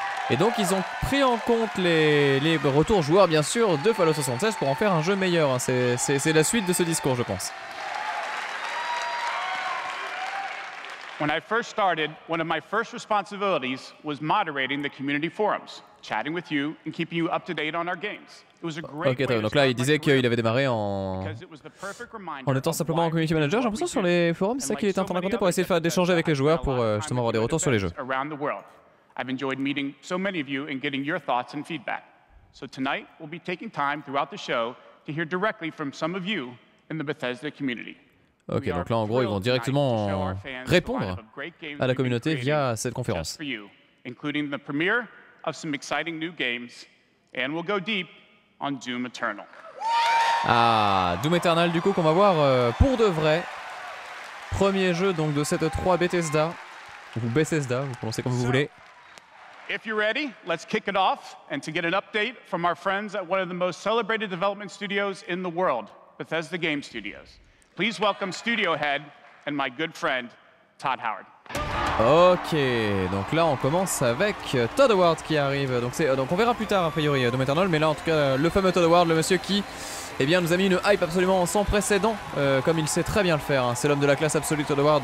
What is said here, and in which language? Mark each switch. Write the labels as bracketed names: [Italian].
[French] Et donc, ils ont pris en compte les retours joueurs, bien sûr, de Fallout 76 pour en faire un jeu meilleur. C'est la suite de ce discours, je pense. [English] When I first started, one of my first responsibilities was moderating the community forums, chatting with you and keeping you up to date on our games. It was a great way to start. [French] Okay, donc là, il disait qu'il avait démarré en étant simplement un community manager. J'ai l'impression sur les forums, c'est ça qu'il était en train de raconter pour essayer d'échanger avec les joueurs pour justement avoir des retours sur les jeux. [English] I've enjoyed meeting so many of you and getting your thoughts and feedback. So tonight, we'll be taking time throughout the show to hear directly from some of you in the Bethesda community. [French] Ok, donc là, en gros, ils vont directement répondre à la communauté via cette conférence. [English] Including the premiere of some exciting new games, and we'll go deep on Doom Eternal. [French] Ah, Doom Eternal, du coup, qu'on va voir pour de vrai. Premier jeu donc de cette E3 Bethesda, ou Bethesda, vous prononcez comme vous voulez. [English] If you're ready, let's kick it off, and to get an update from our friends at one of the most celebrated development studios in the world, Bethesda Game Studios. Please welcome studio head and my good friend Todd Howard. [French] Ok, donc là on commence avec Todd Howard qui arrive. Donc on verra plus tard a priori Doom Eternal, mais là en tout cas le fameux Todd Howard, le monsieur qui, eh bien, nous a mis une hype absolument sans précédent, comme il sait très bien le faire. Hein. C'est l'homme de la classe absolue Todd Howard.